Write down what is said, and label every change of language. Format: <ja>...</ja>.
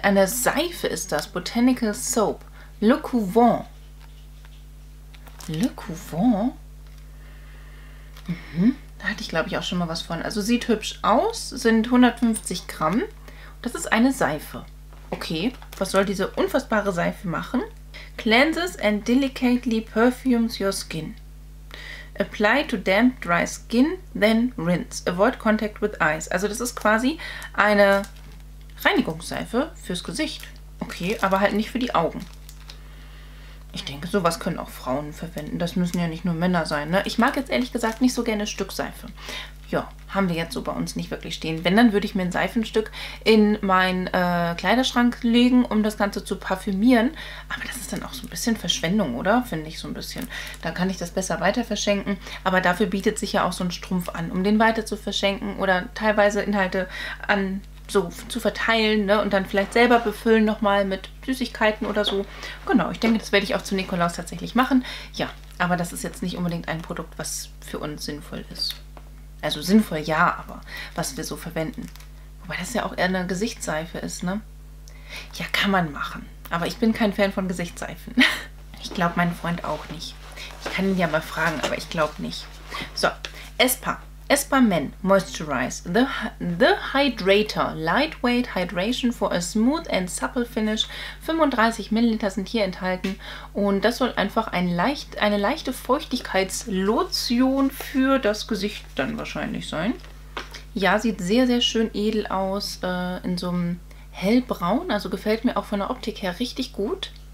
<de>Eine Seife ist das. Botanical Soap. Le Couvent. Le Couvent? Mhm. Da hatte ich, glaube ich, auch schon mal was von. Also sieht hübsch aus, sind 150 Gramm. Das ist eine Seife. Okay, was soll diese unfassbare Seife machen?</de> <en>Cleanses and delicately perfumes your skin. Apply to damp, dry skin, then rinse. Avoid contact with eyes.</en> <de>Also das ist quasi eine Reinigungsseife fürs Gesicht. Okay, aber halt nicht für die Augen. Ich denke, sowas können auch Frauen verwenden. Das müssen ja nicht nur Männer sein, ne? Ich mag jetzt ehrlich gesagt nicht so gerne Stückseife. Ja, haben wir jetzt so bei uns nicht wirklich stehen. Wenn, dann würde ich mir ein Seifenstück in meinen Kleiderschrank legen, um das Ganze zu parfümieren. Aber das ist dann auch so ein bisschen Verschwendung, oder? Finde ich so ein bisschen. Da kann ich das besser weiter verschenken. Aber dafür bietet sich ja auch so ein Strumpf an, um den weiter zu verschenken oder teilweise Inhalte an so zu verteilen, ne? Und dann vielleicht selber befüllen nochmal mit Süßigkeiten oder so. Genau, ich denke, das werde ich auch zu Nikolaus tatsächlich machen. Ja, aber das ist jetzt nicht unbedingt ein Produkt, was für uns sinnvoll ist. Also sinnvoll ja, aber was wir so verwenden. Wobei das ja auch eher eine Gesichtsseife ist, ne? Ja, kann man machen. Aber ich bin kein Fan von Gesichtsseifen. Ich glaube, mein Freund auch nicht. Ich kann ihn ja mal fragen, aber ich glaube nicht. So, Espa.</de> <en>Espamen Moisturize the Hydrator Lightweight Hydration for a Smooth and Supple Finish.</en> <de>35 ml sind hier enthalten und das soll einfach eine leichte Feuchtigkeitslotion für das Gesicht dann wahrscheinlich sein. Ja, sieht sehr, sehr schön edel aus, in so einem hellbraun, also gefällt mir auch von der Optik her richtig gut.</de>